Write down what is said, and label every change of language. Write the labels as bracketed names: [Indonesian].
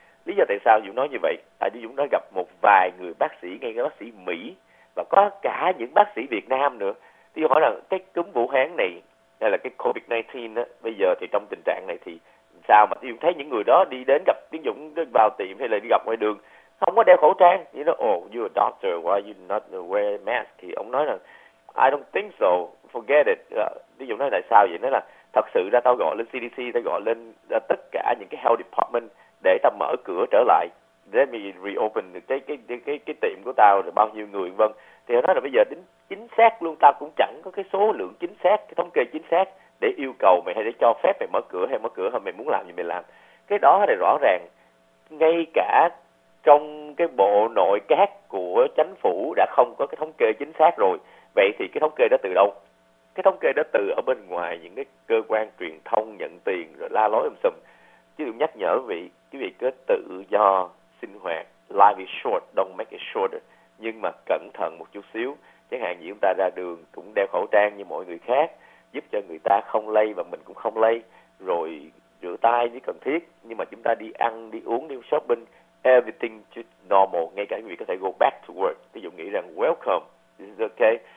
[Vietnamese] Lý do tại sao Dũng nói như vậy? Tại vì Dũng đã gặp một vài người bác sĩ, ngay cả bác sĩ Mỹ và có cả những bác sĩ Việt Nam nữa. Thì hỏi là cái cúm Vũ Hán này hay là cái COVID-19 đó, bây giờ thì trong tình trạng này thì sao mà Dũng thấy những người đó đi đến gặp Tiến Dũng vào tiệm hay là đi gặp ngoài đường không có đeo khẩu trang. Thì nó, [English] oh, you're a doctor, why you not wear mask? [Vietnamese] Thì ông nói là, [English] I don't think so, forget it. [Vietnamese] Ví dụ nói tại sao vậy? Nó là thật sự ra tao gọi lên CDC, tao gọi lên tất cả những cái health department để tao mở cửa trở lại. [English] Let me reopen [Vietnamese] cái tiệm của tao, rồi bao nhiêu người vân. Thì họ nói là bây giờ đến chính xác luôn, tao cũng chẳng có cái số lượng chính xác, cái thống kê chính xác để yêu cầu mày hay để cho phép mày mở cửa hay mở cửa, hay mày muốn làm gì mày làm. Cái đó thì rõ ràng, ngay cả trong cái bộ nội các của chính phủ đã không có cái thống kê chính xác rồi. Vậy thì cái thống kê đó từ đâu? Cái thống kê đó từ ở bên ngoài những cái cơ quan truyền thông nhận tiền rồi la lối sùm. Chứ tôi nhắc nhở quý vị cứ tự do sinh hoạt. [English] Life is short, don't make it shorter. [Vietnamese] Nhưng mà cẩn thận một chút xíu. Chẳng hạn như chúng ta ra đường cũng đeo khẩu trang như mọi người khác, giúp cho người ta không lây và mình cũng không lây. Rồi rửa tay nếu cần thiết. Nhưng mà chúng ta đi ăn, đi uống, đi shopping, [English] everything just normal. [Vietnamese] Ngay cả quý vị có thể [English] go back to work. [Vietnamese] Ví dụ nghĩ rằng [English] welcome, this is okay.